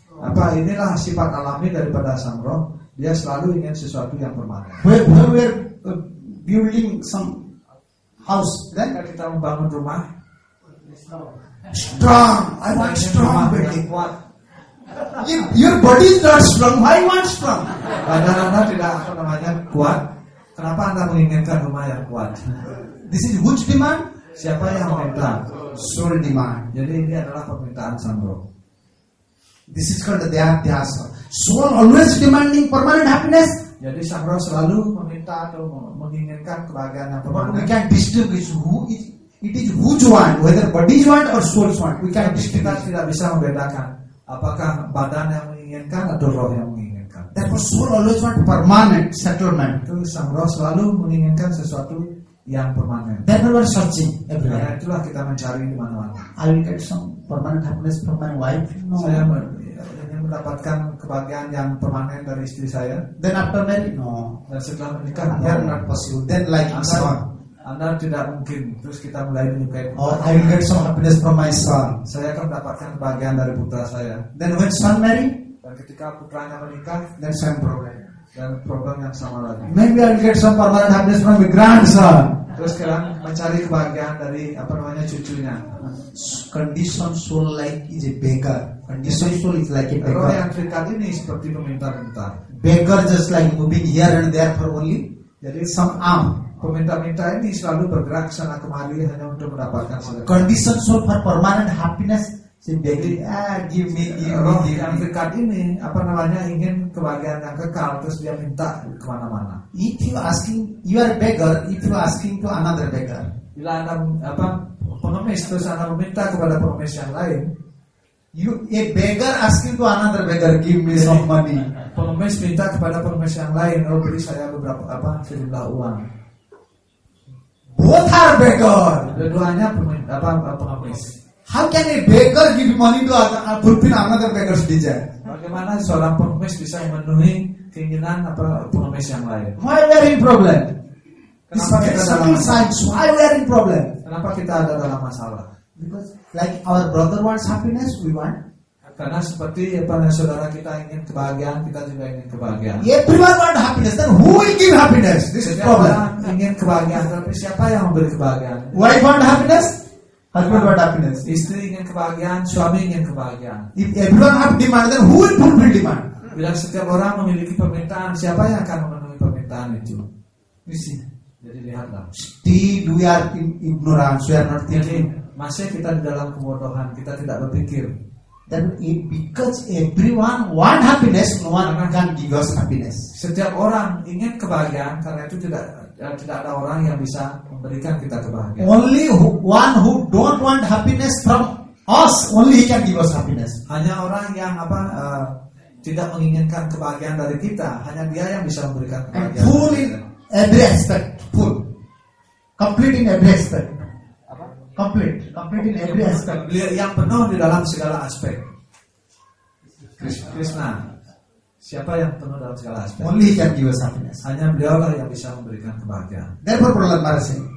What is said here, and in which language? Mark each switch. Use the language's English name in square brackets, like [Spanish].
[Indonesian] Apa inilah sifat alami daripada sang roh? Dia selalu ingin sesuatu yang permanen. [English] When we are building some house, then [Indonesian] kita membangun rumah. [English] Strong. I want strong building. [Indonesian] Kuat. [English] Your body is not strong. Why you want strong? [Indonesian] Badan Anda tidak apa namanya kuat. Kenapa Anda menginginkan rumah yang kuat? [English] This is which demand? [Indonesian] Siapa yang meminta? [English] Soul demand. [Indonesian] Jadi ini adalah permintaan sang roh. [English] This is called the dhyasa. Soul always demanding permanent happiness. [Indonesian] Jadi sang roh selalu meminta atau menginginkan kebahagiaan yang permanen. [English] We can distinguish who is. It is which want, whether body is want or soul is want. We can distinguish. [Indonesian] Kita tidak bisa membedakan apakah badan yang menginginkan atau roh yang menginginkan. [English] Therefore soul always want permanent settlement. [Indonesian] Itu sang roh selalu menginginkan sesuatu yang permanen. [English] Then we are searching everywhere. [Indonesian] Nah, itulah kita mencari di mana-mana. [English] I will get some permanent happiness from my wife. No. [Indonesian] Saya ingin mendapatkan kebahagiaan yang permanen dari istri saya. [English] Then after marriage, no. [Indonesian] Dan setelah menikah, no. [English] Then not possible. Then like [Indonesian] Anda, [English] so. [Indonesian] Anda tidak mungkin. Terus kita mulai menyukai. [English] Oh, I will get some happiness from my son. [Indonesian] Saya akan mendapatkan kebahagiaan dari putra saya. [English] Then when son marry, [Indonesian] dan ketika putranya menikah, [English] then same problem. [Indonesian] Dan problem yang sama lagi. [English] Maybe I'll get some permanent happiness from my grandson. [Indonesian] Terus sekarang mencari kebahagiaan dari apa namanya cucunya. [English] Condition soul like is a beggar. Condition soul is like a beggar. [Indonesian] Roh yang terikat ini seperti meminta-minta. [English] Beggar just like moving here and there for only. [Indonesian] Jadi [English] some arm. [Indonesian] Peminta-minta ini selalu bergerak sana kemari hanya untuk mendapatkan sesuatu. [English] Condition soul for permanent happiness. Sendiri, give me. [Indonesian] Roh yang dekat ini, apa namanya, ingin kebahagiaan yang kekal, terus dia minta kemana-mana. [English] If you asking, you are beggar. If you asking to another beggar. [Indonesian] Bila Anda apa, pengemis, terus Anda meminta kepada pengemis yang lain. [English] You a beggar asking to another beggar, give me some money. [Indonesian] Pengemis minta kepada pengemis yang lain, oh beri saya beberapa apa, sejumlah uang. [English] Both are beggar. [Indonesian] Keduanya pengemis. [English] How can a beggar give money to another beggar's desire? [Indonesian] Bagaimana seorang pengemis bisa memenuhi keinginan apa pengemis yang lain? [English] Why we are in problem? [Indonesian] Kenapa kita ada [English] masalah? Why we are in problem? [Indonesian] Kenapa kita ada dalam masalah? [English] Because like our brother wants happiness, we want. [Indonesian] Karena seperti apa yang saudara kita ingin kebahagiaan, kita juga ingin kebahagiaan. [English] Everyone want happiness, then who will give happiness? This is problem. [Indonesian] Ingin kebahagiaan, tapi siapa yang memberi kebahagiaan? [English] Why want happiness? Husband want happiness. [Indonesian] Istri ingin kebahagiaan, suami ingin kebahagiaan. [English] If everyone have demand, then who will fulfill demand? [Indonesian] Bila setiap orang memiliki permintaan, siapa yang akan memenuhi permintaan itu? Isi. Jadi lihatlah. [English] Still we are in ignorance, we are not thinking. [Indonesian] Masih kita di dalam kebodohan, kita tidak berpikir. [English] Then if because everyone want happiness, no one akan give us happiness. [Indonesian] Setiap orang ingin kebahagiaan, karena itu tidak. Dan tidak ada orang yang bisa memberikan kita kebahagiaan. [English] Only one who don't want happiness from us, only he can give us happiness. [Indonesian] Hanya orang yang apa tidak menginginkan kebahagiaan dari kita, hanya dia yang bisa memberikan kebahagiaan. [English] And full in every aspect, full, complete in every aspect. [Indonesian] Apa? [English] Complete in every aspect. [Indonesian] Beliau yang penuh di dalam segala aspek. Krishna. Siapa yang penuh dalam segala aspek? [English] Only he can give us happiness. [Indonesian] Hanya beliaulah yang bisa memberikan kebahagiaan. [English] Therefore Prahlad Maharaj said.